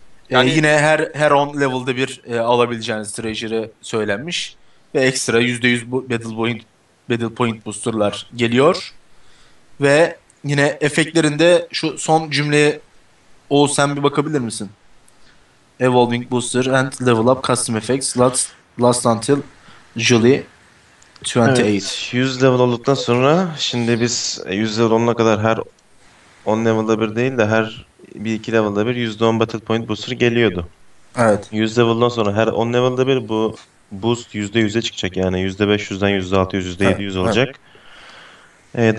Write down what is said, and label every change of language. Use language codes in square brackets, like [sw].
[tr] Yani yine her 10 level'da bir alabileceğiniz treasure'ı söylenmiş. Ve ekstra %100 battle point booster'lar geliyor. Ve yine efektlerinde şu son cümleye Oğuz sen bir bakabilir misin? [en] Evolving booster and level up custom effects last until July 28. [tr] Evet, 100 level olduktan sonra şimdi biz 100 level olana kadar her 10 level'da bir değil de her bir iki level'da bir %10 battle point booster geliyordu. Evet. 100 level'dan sonra her 10 level'da bir bu boost %100'e çıkacak. Yani %500'den %600, %700 olacak. Evet.